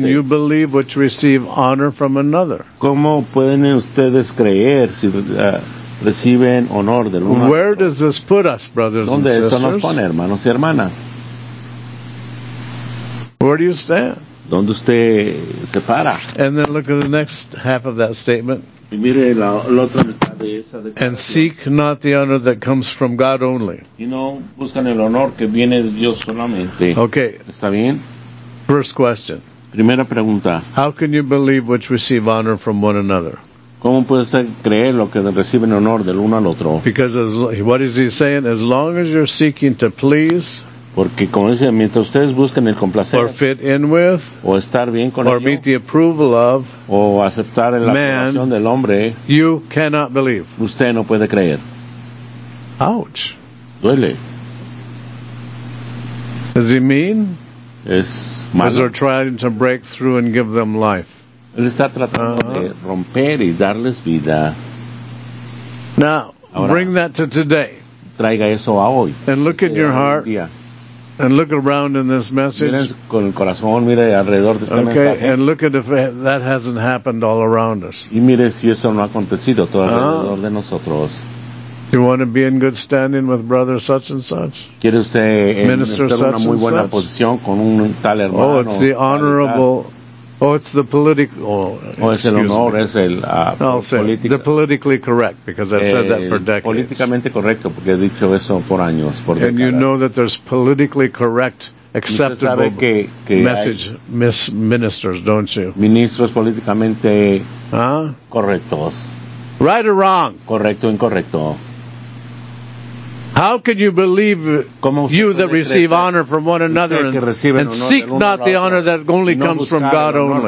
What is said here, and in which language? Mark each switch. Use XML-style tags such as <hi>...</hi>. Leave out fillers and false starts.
<en>Can you believe which receive honor from another?</en> <es>¿Cómo pueden ustedes creer si reciben honor del uno?</es> <en>Where does this put us, brothers and sisters?</en> <es>¿Dónde esto nos pone, hermanos y hermanas?</es> <en>Where do you stand?</en> <es>¿Dónde usted se para?</es> <en>And then look at the next half of that statement.</en> <es>Y mire la otra mitad de esa declaración.</es> <en>And seek not the honor that comes from God only.</en> <es>Y no buscan el honor que viene de Dios solamente.</es> <en>Okay.</en> <es>¿Está bien?</es> <en>First question.</en> <es>Primera pregunta.</es> <en>How can you believe which receive honor from one another?</en> <es>¿Cómo puedes creer lo que reciben honor del uno al otro?</es> <en>Because what is he saying? As long as you're seeking to please.</en> <es>Porque como dice, mientras ustedes busquen el complacer</es> <en>or fit in with,</en> <es>o estar bien con</es> <en>or meet the approval of,</en> <es>o aceptar la aprobación del hombre,</es> <en>you cannot believe.</en> <es>Usted no puede creer.</es> <en>Ouch.</en> <es>Duele.</es> <en>Does he mean?</en> <es>Es malo.</es> <en>Because they're trying to break through and give them life.</en> <es>Él está tratando de romper y darles vida.</es> <en>Now,</en> <es>ahora,</es> <en>bring that to today.</en> <es>Traiga eso a hoy.</es> <en>And look at your heart. And look around in this message.</en> <es>Con el corazón, mire alrededor de este mensaje.</es> <en>Okay, and look at if that hasn't happened all around us.</en> <es>Y mire si eso no ha acontecido todo alrededor de nosotros.</es> <en>Do you want to be in good standing with brother such and such?</en> <es>¿Quiere usted</es> <en>minister</en> <es>estar en una muy buena posición con un tal hermano?</es> <en>Oh, it's the honorable Oh, it's the political.</en> <es>Oh, es el honor, es el.</es> <en>I'll say politica, the politically correct, because I've said that for decades.</en> <es>Políticamente correcto, porque he dicho eso por años, por décadas.</es> <en>And you know that there's politically correct, acceptable</en> <es>que</es> <en>message, miss ministers, don't you?</en> <es>Ministros políticamente correctos.</es> <en>Right or wrong?</en> <es>Correcto, incorrecto.</es> <en>How can you believe you that receive honor from one another and seek not the honor that only comes from God only?</en>